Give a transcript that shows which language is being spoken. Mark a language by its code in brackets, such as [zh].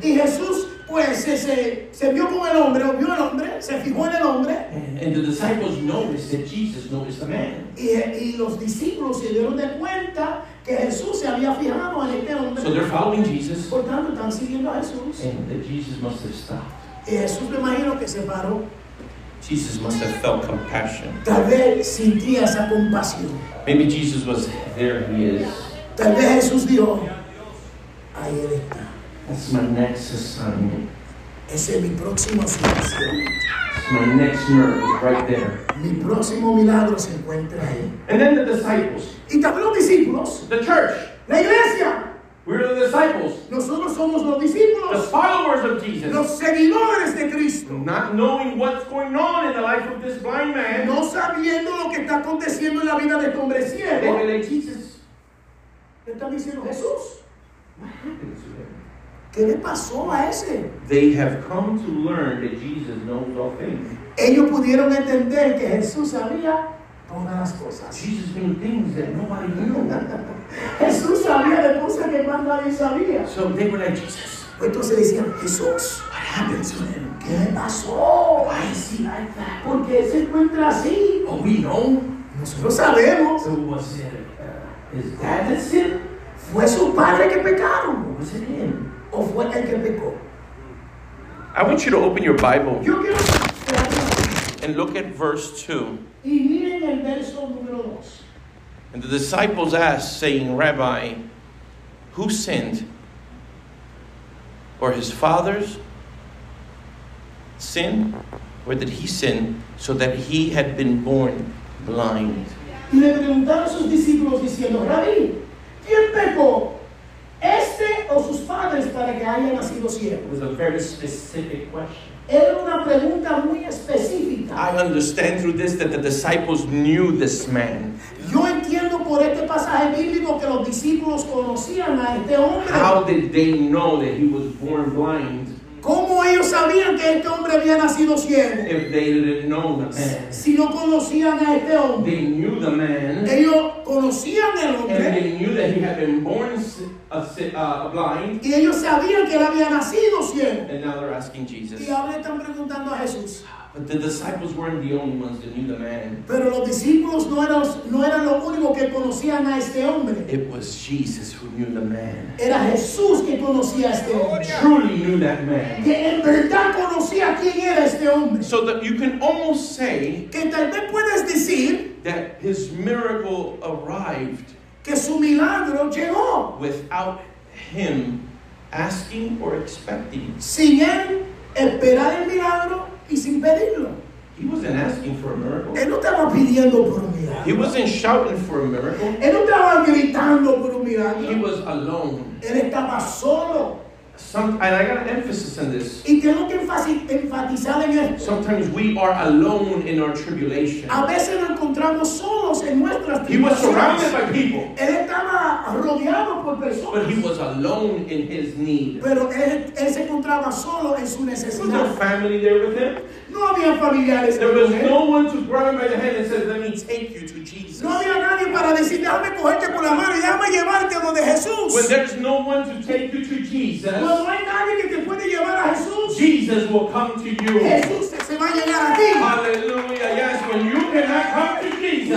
[es] Y Jesús, pues, se vio con el hombre, o vio al hombre, se fijó en el hombre. [en] And the disciples noticed that Jesus noticed the man. [es] Y los discípulos se dieron de cuenta que Jesús se había fijado en este hombre. [en] So they're following Jesus. [es] Por tanto, están siguiendo a Jesús. [en] And that Jesus must have stopped. [es] Y Jesús, me imagino que se paró. [en] Jesus must have felt compassion. [es] Tal vez sentía esa compasión. [en] Maybe Jesus was, there he is. [es] Tal vez Jesús dijo, ahí él está. [en] That's my next assignment. [es] Ese es mi próximo asignación. [en] My next miracle is right there. [es] Mi próximo milagro se encuentra ahí. [en] And then the disciples. [es] Y también los discípulos. [en] The church. [es] La iglesia. [en] We're the disciples. [es] Nosotros somos los discípulos. [en] The followers of Jesus. [es] Los seguidores de Cristo. [en] Not knowing what's going on in the life of this blind man. [es] No sabiendo lo que está aconteciendo en la vida de este hombre ciego. [en] Jesus. [es] ¿Qué está diciendo Jesús? [en] What happened to him? [es] ¿Qué le pasó a ese? [en] They have come to learn that Jesus knows all things. [es] Ellos pudieron entender que Jesús sabía todas las cosas. [en] Jesus knew things that nobody knew. [es] Jesús sabía de cosas que más nadie sabía. [en] So they were like, Jesus. [es] Entonces decían, Jesús. [en] What happened to him? [es] ¿Qué pasó? [en] Why is he like that? [es] ¿Por qué se encuentra así? [en] Oh, we know. [es] Nosotros sabemos. [en] So was it his dad that sinned? [es] ¿Fue su padre que pecaron? [en] Or was it him? [es] ¿O fue el que pecó? [en] I want you to open your Bible. [es] Yo quiero... [en] And look at verse 2. [es] Y miren el verso número 2. [en] And the disciples asked, saying, Rabbi, who sinned? Or his father's sin? Or did he sin so that he had been born blind? [es] Y le preguntaron a sus discípulos diciendo, Rabbi, ¿quién pecó? ¿Este o sus padres para que haya nacido ciego? [en] It was a very specific question. [es] Era una pregunta muy específica. [en] I understand through this that the disciples knew this man. [es] Yo entiendo por este pasaje bíblico que los discípulos conocían a este hombre. [en] How did they know that he was born blind? [es] ¿Cómo ellos sabían que este hombre había nacido ciego? [en] If they didn't know the man. [es] Si no conocían a este hombre. [en] They knew the man. [es] Ellos conocían al hombre. [en] And they knew that he had been born blind. [es] Y ellos sabían que él había nacido ciego. [en] And now they're asking Jesus. [es] Y ahora están preguntando a Jesús. [en] But the disciples weren't the only ones that knew the man. [es] Pero los discípulos no eran los únicos que conocían a este hombre. [en] It was Jesus who knew the man. [es] Era Jesús que conocía a este hombre. [en] Truly knew that man. [es] Que en verdad conocía quién era este hombre. [en] So that you can almost say [es] que tal vez puedes decir [en] that his miracle arrived [es] que su milagro llegó [en] without him asking or expecting. [es] Sin él esperar el milagro y sin pedirlo. [en] He wasn't asking for a miracle. [es] Él no estaba pidiendo por un milagro. [en] He wasn't shouting for a miracle. [es] Él no estaba gritando por un milagro. [en] He was alone. [es] Él estaba solo. [en] And I got an emphasis on this. [es] Y tengo que enfatizar en esto. [en] Sometimes we are alone in our tribulation. [es] A veces nos encontramos solos en nuestras [en] tribulaciones. He was surrounded by people. [es] Él estaba rodeado por personas. [en] But he was alone in his need. [es] Pero él se encontraba solo en su necesidad. [en] Was there family there with him? [es] No había familiares. [en] There was no one to grab him by the hand and say, let me take you to Jesus. [es] No había nadie para decir, déjame cogerte por la mano y déjame llevarte a donde Jesús. [en] When there's no one to take you to Jesus, [es] no hay nadie que te puede llevar a Jesús. [en] Jesus will come to you. [es] Jesús se va a llegar a ti. [en] Hallelujah. Yes, when you cannot come to Jesus,